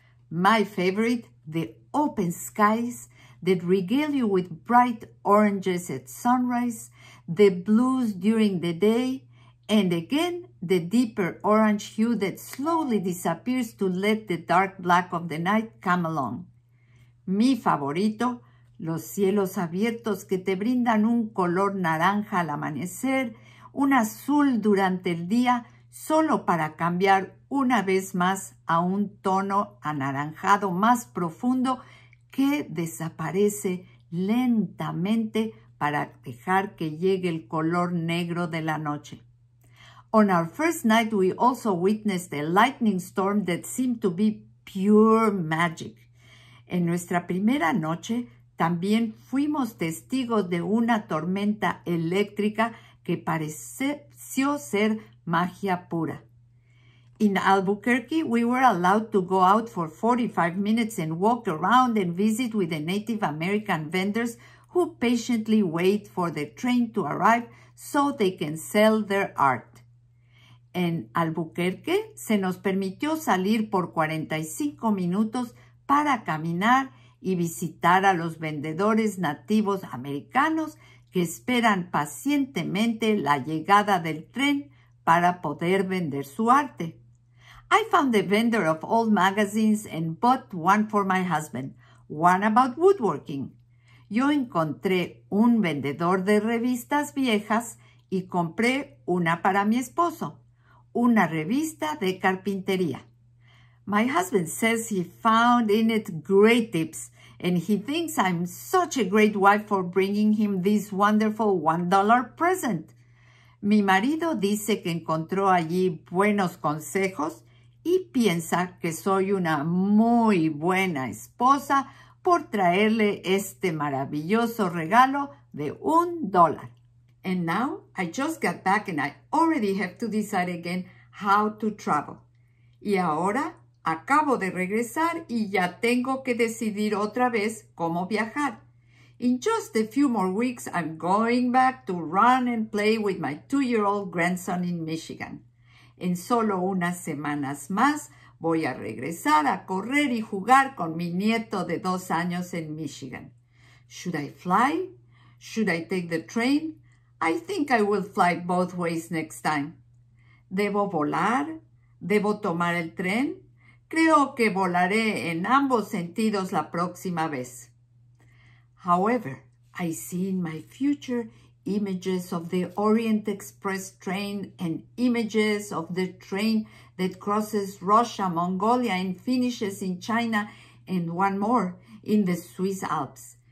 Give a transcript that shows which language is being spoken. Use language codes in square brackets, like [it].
[en] My favorite, the open skies that regale you with bright oranges at sunrise, the blues during the day, and again, the deeper orange hue that slowly disappears to let the dark black of the night come along. [es] Mi favorito, los cielos abiertos que te brindan un color naranja al amanecer, un azul durante el día, solo para cambiar una vez más a un tono anaranjado más profundo que desaparece lentamente para dejar que llegue el color negro de la noche. [en] On our first night, we also witnessed a lightning storm that seemed to be pure magic. [es] En nuestra primera noche, también fuimos testigos de una tormenta eléctrica que pareció ser magia pura. [en] In Albuquerque, we were allowed to go out for 45 minutes and walk around and visit with the Native American vendors who patiently wait for the train to arrive so they can sell their art. [es] En Albuquerque se nos permitió salir por 45 minutos para caminar y visitar a los vendedores nativos americanos que esperan pacientemente la llegada del tren para poder vender su arte. [en] I found a vendor of old magazines and bought one for my husband, one about woodworking. [es] Yo encontré un vendedor de revistas viejas y compré una para mi esposo. Una revista de carpintería. [en] My husband says he found in it great tips, and he thinks I'm such a great wife for bringing him this wonderful $1 present. [es] Mi marido dice que encontró allí buenos consejos y piensa que soy una muy buena esposa por traerle este maravilloso regalo de $1. [en] And now I just got back and I already have to decide again how to travel. [es] Y ahora acabo de regresar y ya tengo que decidir otra vez cómo viajar. [en] In just a few more weeks, I'm going back to run and play with my two-year-old grandson in Michigan. [es] En solo unas semanas más, voy a regresar a correr y jugar con mi nieto de 2 años en Michigan. [en] Should I fly? Should I take the train? I think I will fly both ways next time. [es] ¿Debo volar? ¿Debo tomar el tren? Creo que volaré en ambos sentidos la próxima vez. [en] However, I see in my future images of the Orient Express train and images of the train that crosses Russia, Mongolia, and finishes in China, and one more in the Swiss Alps.